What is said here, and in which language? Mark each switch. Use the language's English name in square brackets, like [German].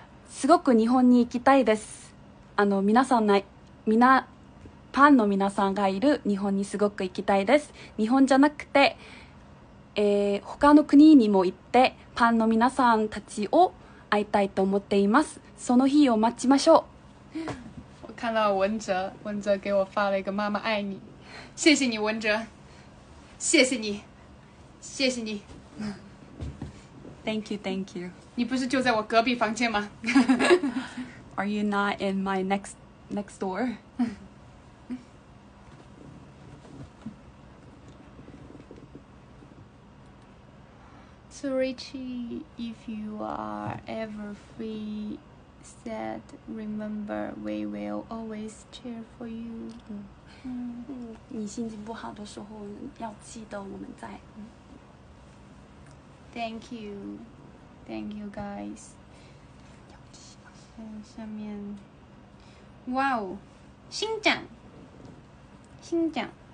[Japanese] すごく日本に行きたいです。あの皆さんの皆ファンの皆さんがいる日本にすごく行きたいです。日本じゃなくて、他の国にも行ってファンの皆さんたちを会いたいと思っています。その日を待ちましょう。 [Chinese] 我看到文哲，文哲给我发了一个妈妈爱你，谢谢你文哲，谢谢你，谢谢你。 [English] Thank you, thank you. [Chinese] 你不是就在我隔壁房间吗？ [English] Are you not in my next door? 嗯。 So Richie, if you are ever free, said, remember, we will always cheer for you. 嗯。 [Chinese] 你心情不好的时候要记得我们在。 [English] Thank you, thank you guys. [Chinese] 下面，哇哦，新奖，新奖。